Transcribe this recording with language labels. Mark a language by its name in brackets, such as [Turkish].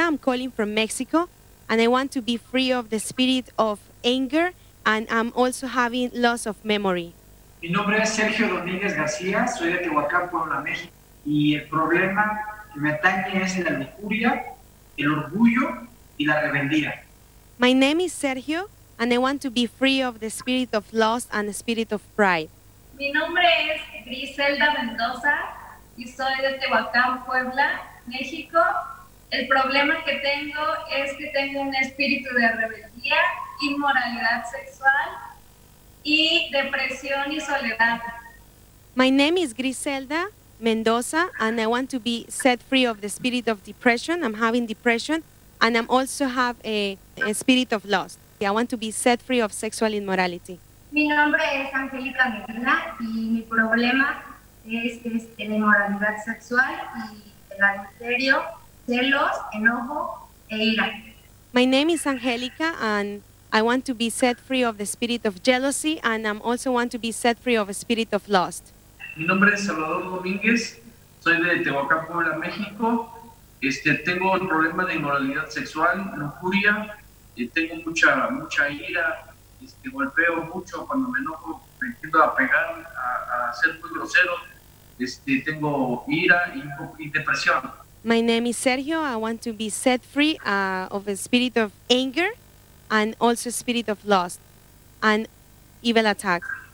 [English] I'm calling from Mexico, and I want to be free of the spirit of anger, and I'm also having loss of memory. [Spanish] Mi nombre es Sergio Domínguez García. Soy de Tehuacán, Puebla, México. Y el problema que me atañe es la lujuria, el orgullo y la rebeldía. [English] My name is Sergio, and I want to be free of the spirit of lust and the spirit of pride. [Spanish] Mi nombre es Griselda Mendoza y soy de Tehuacán, Puebla, México. El problema que tengo es que tengo un espíritu de rebeldía, inmoralidad sexual y depresión y soledad. [English] My name is Griselda Mendoza, and I want to be set free of the spirit of depression. I'm having depression, and I'm also have a spirit of lust. I want to be set free of sexual immorality. [Spanish] Mi nombre es Angélica Medina y mi problema es la inmoralidad sexual y el adulterio, celos, enojo e ira. [English] My name is Angélica, and I want to be set free of the spirit of jealousy, and I also want to be set free of a spirit of lust. [Spanish] Mi nombre es Salvador Domínguez, soy de Tehuacán, Puebla, México. Tengo un problema de inmoralidad sexual, lujuria, y tengo mucha ira. Golpeo mucho cuando me enojo, me tiendo a pegar, a ser muy grosero. Tengo ira y depresión. [English] My name is Sergio. I want to be set free of a spirit of anger and also spirit of lust and evil attack.